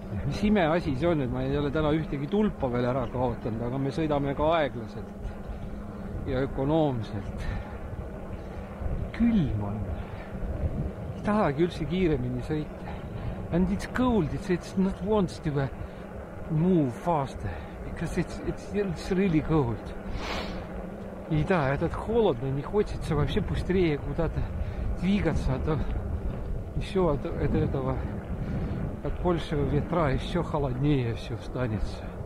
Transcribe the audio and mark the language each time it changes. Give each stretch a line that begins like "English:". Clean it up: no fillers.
Estonian: Mis ime asi see on, et ma ei ole täna ühtegi tulpa veel ära kaotanud, aga me sõidame ka aeglaselt ja ökonoomselt. Külm on. Ei tahagi üldse kiiremini sõita.
English: And it's cold, it's not wants to move faster, because it's really cold.
Russian: И да, этот холодно, не хочется вообще быстрее куда-то двигаться, а то еще от этого, от большего ветра еще холоднее все останется.